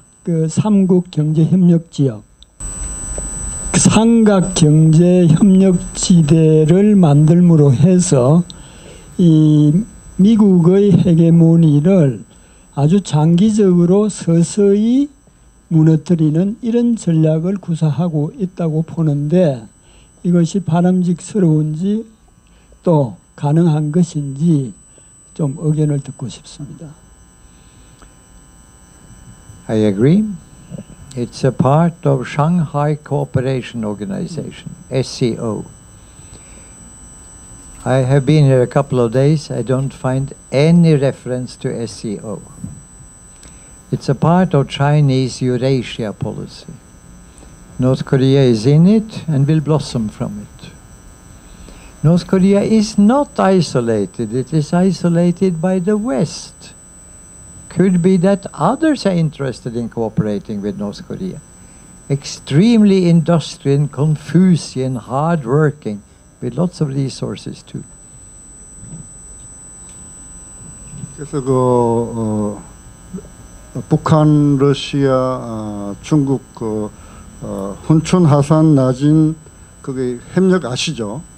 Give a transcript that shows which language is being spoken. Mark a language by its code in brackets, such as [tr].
[ko] 그 삼국 경제 협력 지역 삼각 경제 협력 지대를 만들므로 해서 이 미국의 헤게모니를 아주 장기적으로 서서히 무너뜨리는 이런 전략을 구사하고 있다고 보는데 이것이 바람직스러운지 또 가능한 것인지 좀 의견을 듣고 싶습니다. [en] I agree. It's a part of Shanghai Cooperation Organization, SCO. I have been here a couple of days. I don't find any reference to SCO. It's a part of Chinese Eurasia policy. North Korea is in it and will blossom from it. North Korea is not isolated. It is isolated by the West. Could be that others are interested in cooperating with North Korea. Extremely industrial, Confucian, hardworking, with lots of resources too. [ko] 그래서 그 북한, 러시아, 중국 그 훈촌, 하산, 나진 그게 협력 아시죠?